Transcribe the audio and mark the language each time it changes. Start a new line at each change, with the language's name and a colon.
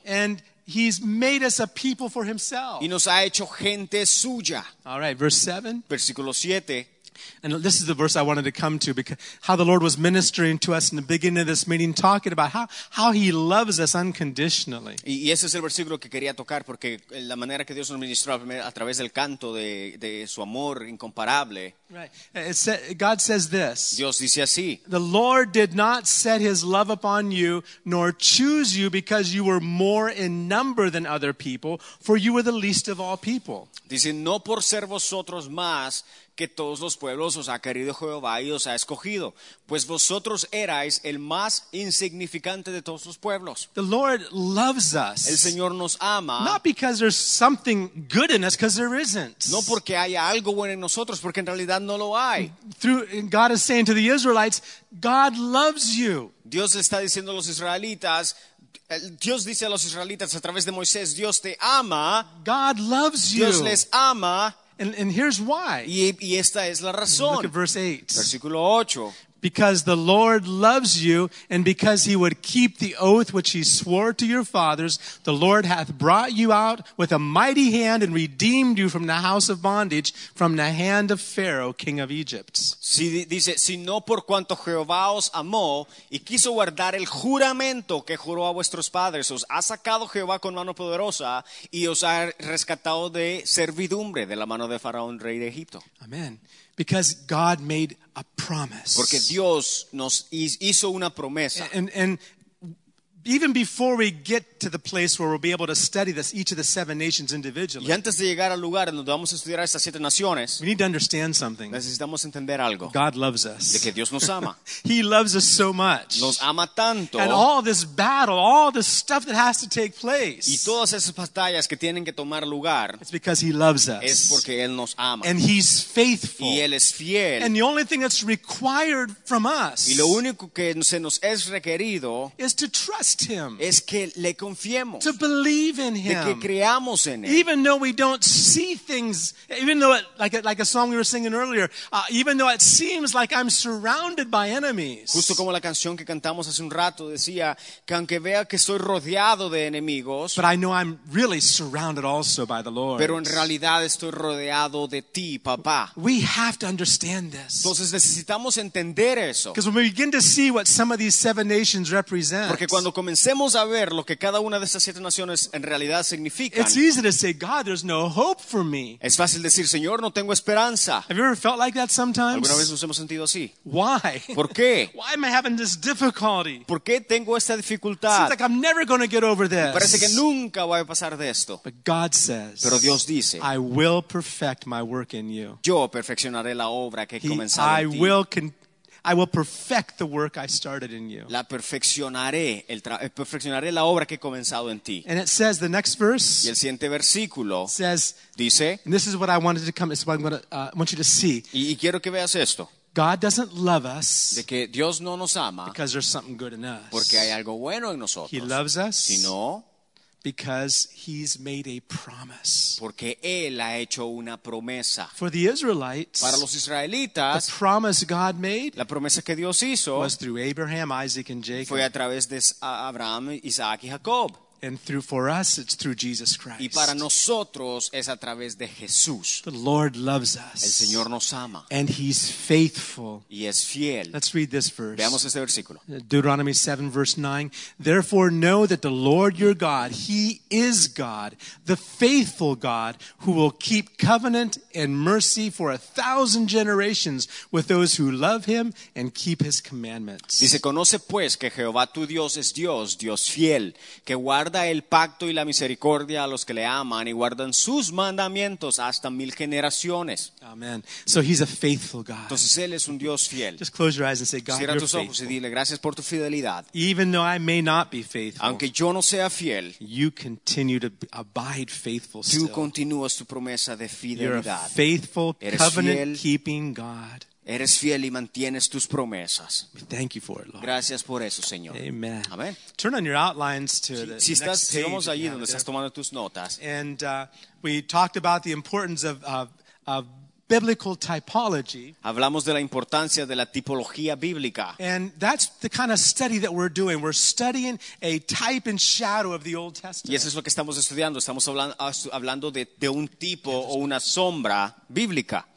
English: And he's made us a people for himself.
Spanish: Y nos ha hecho gente suya.
English: All right, verse 7.
Spanish: Versículo 7.
English: And this is the verse I wanted to come to, because how the Lord was ministering to us in the beginning of this meeting, talking about how he loves us unconditionally.
Spanish: Y ese es el versículo que quería tocar, porque la manera que Dios nos ministró a través del canto de su amor incomparable.
English: Right. God says this.
Spanish: Dios dice así.
English: The Lord did not set his love upon you, nor choose you because you were more in number than other people, for you were the least of all people.
Spanish: Dice, no por ser vosotros más que todos los pueblos os ha querido Jehová y os ha escogido, pues vosotros erais el más insignificante de todos los pueblos.
English: The Lord loves us.
Spanish: El Señor nos ama.
English: Not because there's something good in us, because there isn't.
Spanish: No porque haya algo bueno en nosotros, porque en realidad no lo hay.
English: God is saying to the Israelites, God loves you.
Spanish: Dios le está diciendo a los israelitas, Dios dice a los israelitas a través de Moisés, Dios te ama.
English: God loves you.
Spanish: Dios les ama.
English: And here's why.
Spanish: Y esta es la razón.
English: Look at verse 8.
Spanish: Versículo 8.
English: because the Lord loves you, and because he would keep the oath which he swore to your fathers, the Lord hath brought you out with a mighty hand and redeemed you from the house of bondage, from the hand of Pharaoh, king of Egypt.
Spanish: Si, dice, sino por cuanto Jehová os amó y quiso guardar el juramento que juró a vuestros padres, os ha sacado Jehová con mano poderosa y os ha rescatado de servidumbre de la mano de Faraón, rey de Egipto.
English: Amen. Because God made a promise.
Spanish: Porque Dios nos hizo una promesa.
English: And even before we get to the place where we'll be able to study this, each of the seven nations individually.
Spanish: Y antes de llegar al lugar en donde vamos a estudiar estas siete naciones.
English: We need to understand something.
Spanish: Necesitamos entender algo.
English: God loves us.
Spanish: De que Dios nos ama.
English: He loves us so much.
Spanish: Nos ama tanto.
English: And all this battle, all this stuff that has to take place.
Spanish: Y todas esas batallas que tienen que tomar lugar.
English: It's because he loves us.
Spanish: Es porque él nos ama.
English: And he's faithful.
Spanish: Y él es fiel.
English: And the only thing that's required from us.
Spanish: Y lo único que se nos es requerido.
English: Is to trust.
Spanish: Es que le confiemos.
English: To believe in him.
Spanish: De que creamos en él.
English: Even though we don't see things, even though it, like a song we were singing earlier, even though it seems like I'm surrounded by enemies.
Spanish: Justo como la canción que cantamos hace un rato decía, que aunque vea que estoy rodeado de enemigos,
English: but I know I'm really surrounded also by the Lord.
Spanish: Pero en realidad estoy rodeado de ti, papá.
English: We have to understand this.
Spanish: Entonces necesitamos entender eso.
English: Because when we begin to see what some of these seven nations represent.
Spanish: Porque cuando comencemos a ver lo que cada una de esas siete naciones en realidad significan.
English: It's easy to say, God, there's no hope for me.
Spanish: Es fácil decir, Señor, no tengo esperanza.
English: Have you ever felt like that sometimes?
Spanish: ¿Alguna vez nos hemos sentido así?
English: Why?
Spanish: ¿Por qué?
English: Why am I having this difficulty?
Spanish: ¿Por qué tengo esta dificultad?
English: Seems like I'm never going to get over this.
Spanish: Me parece que nunca voy a pasar de esto.
English: But God says,
Spanish: pero Dios dice,
English: I will perfect my work in you.
Spanish: Yo perfeccionaré la obra que he comenzado en ti.
English: I will perfect the work I started in you.
Spanish: La perfeccionaré, perfeccionaré la obra que he comenzado en ti.
English: And it says the next verse.
Spanish: Y el siguiente versículo
English: says.
Spanish: Dice.
English: And this is what I wanted to come. This is what I'm going to want you to see.
Spanish: Y quiero que veas esto.
English: God doesn't love us.
Spanish: De que Dios no nos ama.
English: Because there's something good in us.
Spanish: Porque hay algo bueno en nosotros.
English: He loves us.
Spanish: Sino.
English: Because he's made a promise.
Spanish: Porque él ha hecho una promesa.
English: For the Israelites,
Spanish: para los israelitas,
English: the promise God made,
Spanish: la promesa que Dios hizo,
English: was through Abraham, Isaac, and Jacob.
Spanish: Fue a través de Abraham, Isaac, y Jacob.
English: And through for us, it's through Jesus Christ.
Spanish: Y para nosotros es a través de Jesús.
English: The Lord loves us.
Spanish: El Señor nos ama.
English: And he's faithful.
Spanish: Y es fiel.
English: Let's read this verse.
Spanish: Veamos este versículo.
English: Deuteronomy 7, verse 9. Therefore know that the Lord your God, he is God, the faithful God, who will keep covenant and mercy for 1,000 generations with those who love him and keep his commandments.
Spanish: Dice, conoce pues que Jehová tu Dios es Dios, Dios fiel, que guarda el pacto y la misericordia a los que le aman y guardan sus mandamientos hasta mil generaciones.
English: Amen. So he's a faithful God.
Spanish: Entonces él es un Dios fiel.
English: Just close your eyes and say, God,
Spanish: cierra
English: you're
Spanish: tus ojos
English: faithful.
Spanish: Y dile, gracias por tu fidelidad.
English: Even though I may not be faithful,
Spanish: aunque yo no sea fiel,
English: you continue to abide faithful
Spanish: tú
English: still.
Spanish: Continúas tu promesa de fidelidad.
English: You're a faithful,
Spanish: eres
English: covenant-keeping God.
Spanish: Eres fiel y mantienes tus promesas.
English: Thank you for it, Lord.
Spanish: Gracias por eso, Señor.
English: Amen.
Spanish: Amen.
English: Turn on your outlines to the
Spanish: si estás,
English: next page.
Spanish: Sigamos allí donde estás tomando tus notas.
English: And we talked about the importance of biblical typology.
Spanish: Hablamos de la importancia de la tipología bíblica.
English: And that's the kind of study that we're doing. We're studying a type and shadow of the Old Testament.
Spanish: Y eso es lo que estamos estudiando. Estamos hablando de un tipo o una sombra bíblica.